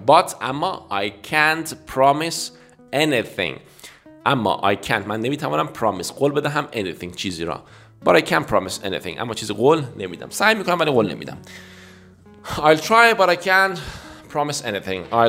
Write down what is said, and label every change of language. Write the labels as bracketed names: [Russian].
[English] But [Persian] اما [English] I can't promise anything. [Persian] اما [English] I can't. [Persian] من نمیتوانم [English] promise. [Persian] قول بدهم [English] anything. [Persian] چیزی را. [English] But I can't promise anything. [Persian] اما چیزی قول نمیدم. سعی میکنم ولی قول نمیدم. [English] I'll try but I can't promise anything.